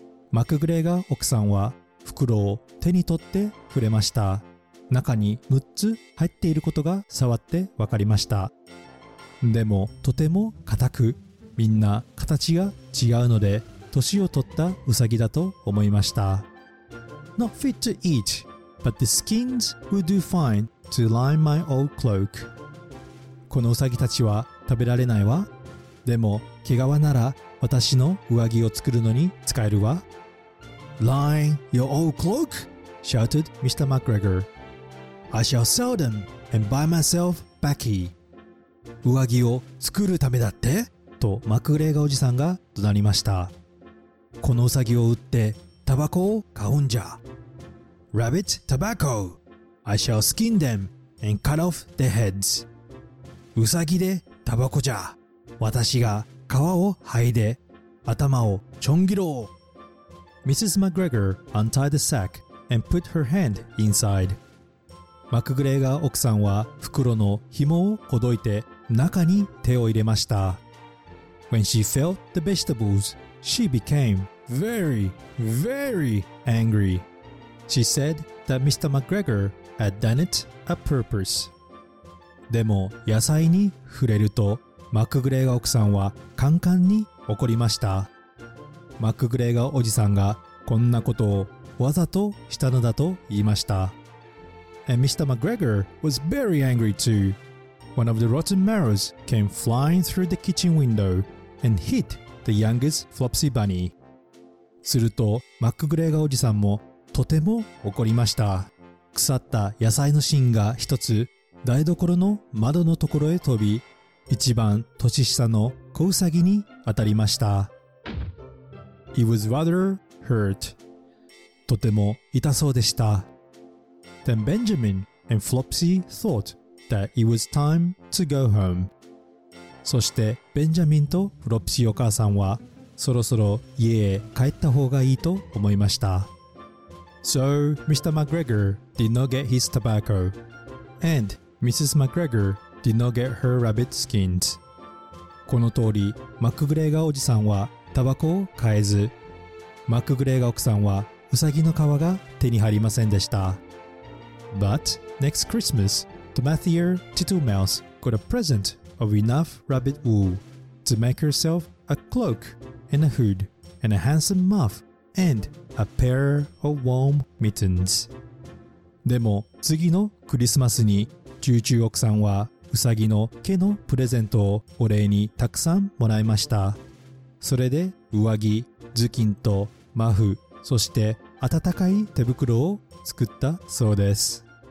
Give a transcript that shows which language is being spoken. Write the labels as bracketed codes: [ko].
[ja] マックグレーガー奥さんは袋を手に取って触れました。中に6つ入っていることが触って分かりました。でもとても硬く、みんな形が違うので年を取ったウサギだと思いました。 [en] Not fit to eat, but the skins will do fine to line my old cloak. [ja] このウサギたちは食べられないわ。でも毛皮なら私の上着を作るのに使えるわ。 [en] Line your old cloak? shouted Mr. McGregor. I shall sell them and buy myself baccy. [ja] 上着を作るためだって？とマックグレーガーおじさんが怒鳴りました。このウサギを売ってタバコを買うんじゃ。 [en] Rabbit tobacco. I shall skin them and cut off their heads. [ja] ウサギでタバコじゃ。私が皮を剥いで頭をちょん切ろう。 [en] Mrs. McGregor untied the sack and put her hand inside. [ja] マックグレーガー奥さんは袋の紐をほどいて中に手を入れました。 [en] When she felt the vegetables, she became very, very angry. She said that Mr. McGregor had done it a purpose. [ja] でも野菜に触れるとマックグレーガー奥さんはカンカンに怒りました。マックグレーガーおじさんがこんなことをわざとしたのだと言いました。 [en] And Mr. McGregor was very angry too. One of the rotten marrows came flying through the kitchen window and hit the youngest Flopsy Bunny. [ja] するとマックグレーガーおじさんもとても怒りました。腐った野菜の芯が一つ台所の窓のところへ飛び、一番年下の子ウサギに当たりました。 [en] He was rather hurt. [ja] とても痛そうでした。 [en] Then Benjamin and Flopsy thought that it was time to go home. [ja] そしてベンジャミンとフロプシーお母さんはそろそろ家へ帰った方がいいと思いました。 [en] So Mr. McGregor did not get his tobacco, and Mrs. McGregor did not get her rabbit skins. [ja] この通りマックグレーガーおじさんはタバコを買えず、マックグレーガー奥さんはウサギの皮が手に入りませんでした。 [en] But Next Christmas, the Matthier Titmouse got a present of enough rabbit wool to make herself a cloak and a hood and a handsome muff and a pair of warm mittens. [ja] でも次のクリスマスに中中奥さんはウサギの毛のプレゼントをお礼にたくさんもらいました。それで上着、頭巾とマフ、そして温かい手袋を作ったそうです。